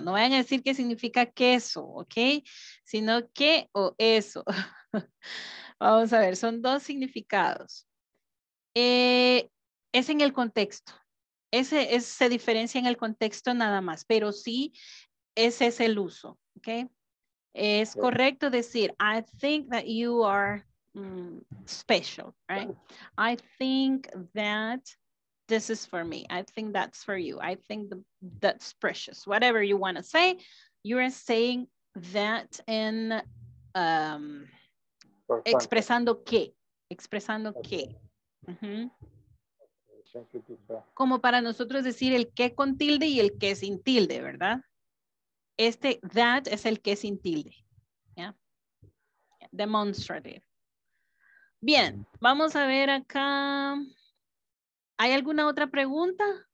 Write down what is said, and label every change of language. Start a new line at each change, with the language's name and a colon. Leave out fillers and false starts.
Spanish: No vayan a decir que significa queso, ¿ok? Sino que o eso. Vamos a ver, son dos significados. Es en el contexto. Ese se diferencia en el contexto nada más, pero sí ese es el uso, ¿ok?
English: Es correcto decir, I think that you are special, right? I think that this is for me. I think that's for you. I think that's precious. Whatever you want to say, you are saying that in
Spanish: expresando que. Expresando okay. Que. Como para nosotros decir el que con tilde y el que sin tilde, ¿verdad? Este that es el que sin tilde.
English: Yeah? Demonstrative.
Spanish: Bien, vamos a ver acá. ¿Hay alguna otra pregunta?